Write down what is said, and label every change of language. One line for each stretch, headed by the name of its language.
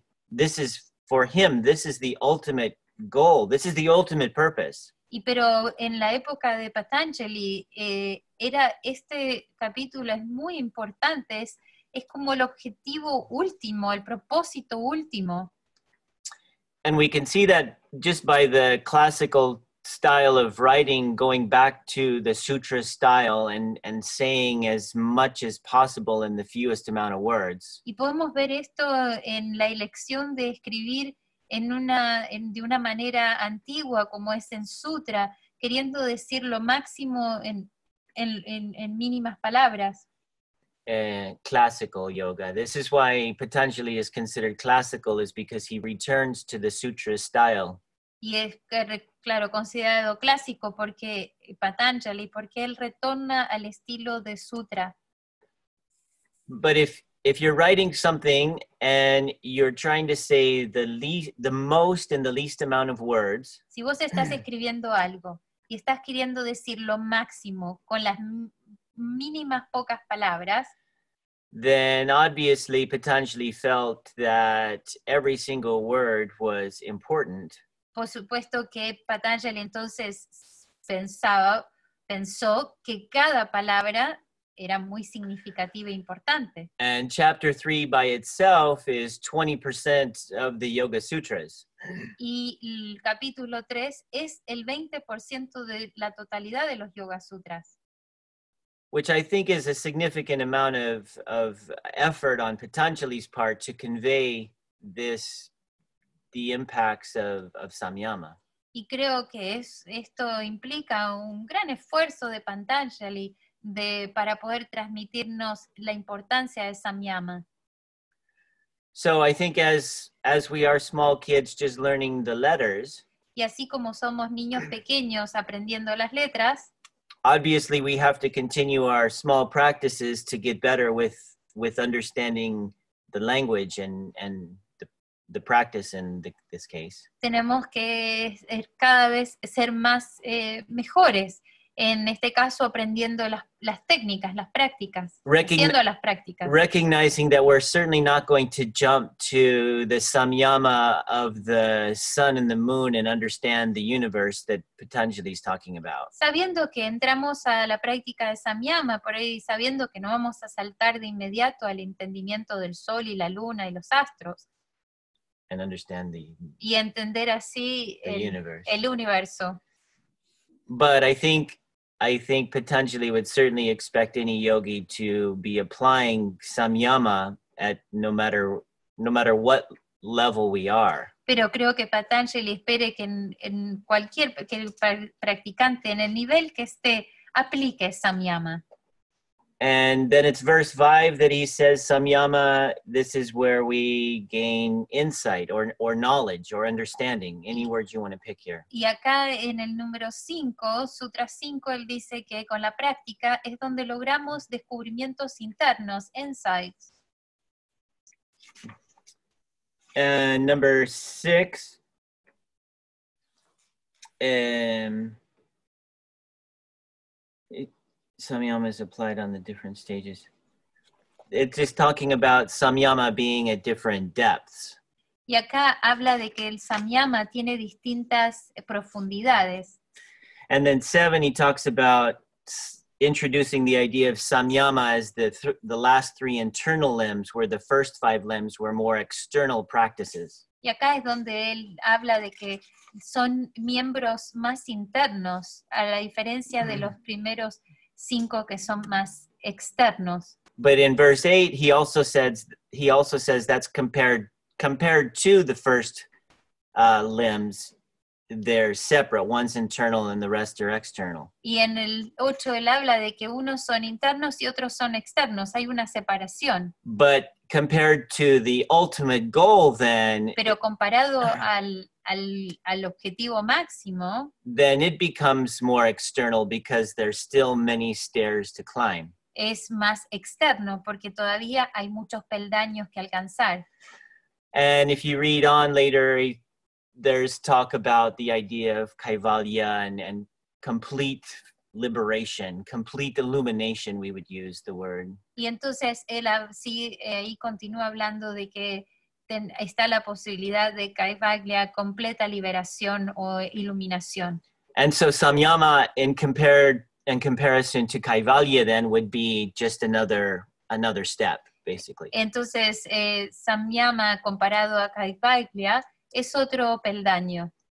English: This is for him, this is the ultimate goal, this is the ultimate purpose.
Spanish: Y pero en la época de Patanjali, este capítulo es muy importante, es como el objetivo último, el propósito último.
English: And we can see that just by the classical style of writing, going back to the sutra style and saying as much as possible in the fewest amount of words.
Spanish: Y podemos ver esto en la elección de escribir de una manera antigua, como es en sutra, queriendo decir lo máximo en mínimas palabras.
English: Classical yoga. This is why Patanjali is considered classical, is because he returns to the sutra style.
Spanish: Y es claro, considerado clásico porque Patanjali, porque él retorna al estilo de sutra.
English: But if you're writing something and you're trying to say the most and the least amount of words,
Spanish: si vos estás escribiendo algo y estás queriendo decir lo máximo con las mínimas pocas palabras,
English: then obviously Patanjali felt that every single word was important.
Spanish: Por supuesto que Patanjali entonces pensó que cada palabra era muy significativa e importante.
English: And chapter 3 by itself is 20% of the Yoga Sutras.
Spanish: Y el capítulo 3 es el 20% de la totalidad de los Yoga Sutras.
English: Which I think is a significant amount of effort on Patanjali's part to convey this, the impacts of Samyama.
Spanish: Y creo que esto implica un gran esfuerzo de Patanjali para poder transmitirnos la importancia de Samyama.
English: So I think as we are small kids just learning the letters,
Spanish: y así como somos niños pequeños aprendiendo las letras,
English: obviously we have to continue our small practices to get better with understanding the language and the practice in this case.
Spanish: Tenemos que cada vez ser más mejores, en este caso aprendiendo las técnicas, las prácticas, haciendo las prácticas.
English: Recognizing that we're certainly not going to jump to the samyama of the sun and the moon and understand the universe that Patanjali is talking about.
Spanish: Sabiendo que entramos a la práctica de samyama, por ahí sabiendo que no vamos a saltar de inmediato al entendimiento del sol y la luna y los astros.
English: And understand the,
Spanish: y entender así
English: the
Spanish: el,
English: universe.
Spanish: El universo.
English: But I think Patanjali would certainly expect any yogi to be applying samyama at no matter what level we are.
Spanish: Pero creo que Patanjali espere que en cualquier que el practicante en el nivel que esté aplique samyama.
English: And then it's verse 5 that he says samyama, this is where we gain insight or knowledge or understanding, any words you want to pick here.
Spanish: Y acá en el número 5, sutra 5, él dice que con la práctica es donde logramos descubrimientos internos, insights.
English: And number 6, samyama is applied on the different stages. It's just talking about samyama being at different depths.
Spanish: Y acá habla de que el samyama tiene distintas profundidades.
English: And then 7, he talks about introducing the idea of samyama as the last three internal limbs, where the first five limbs were more external practices.
Spanish: Y acá es donde él habla de que son miembros más internos, a la diferencia de los primeros cinco que son más externos.
English: But in verse 8 he also says that's compared to the first limbs they're separate, one's internal and the rest are external.
Spanish: Y en el 8 él habla de que unos son internos y otros son externos, hay una separación.
English: But compared to the ultimate goal then,
Spanish: pero comparado al objetivo máximo,
English: then it becomes more external because there's still many stairs to climb.
Spanish: Es más externo porque todavía hay muchos peldaños que alcanzar.
English: And if you read on later, there's talk about the idea of kaivalya and complete liberation, complete illumination, we would use the word.
Spanish: Y entonces él sí, ahí continúa hablando de que está la posibilidad de kaivalya, completa liberación o iluminación.
English: And so samyama in comparison to kaivalya then would be just another step, basically.
Spanish: Entonces samyama comparado a kaivalya es otro peldaño.